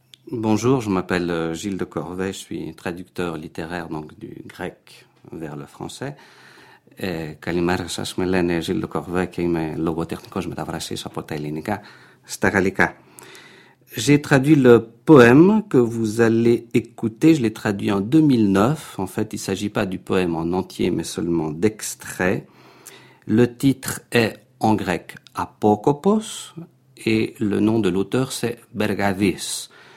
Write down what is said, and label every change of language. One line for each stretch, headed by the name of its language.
French: Bonjour, je m'appelle Gilles de Corvey, je suis traducteur littéraire donc du grec vers le français.
Greek: Καλημέρα σας, με λένε Gilles de Corvey και είμαι λογοτεχνικός μεταφραστής από τα ελληνικά στα γαλλικά.
French: J'ai traduit le poème que vous allez écouter, je l'ai traduit en 2009. En fait, il ne s'agit pas du poème en entier, mais seulement d'extraits. Le titre est en grec Apokopos et le nom de l'auteur c'est Bergavis.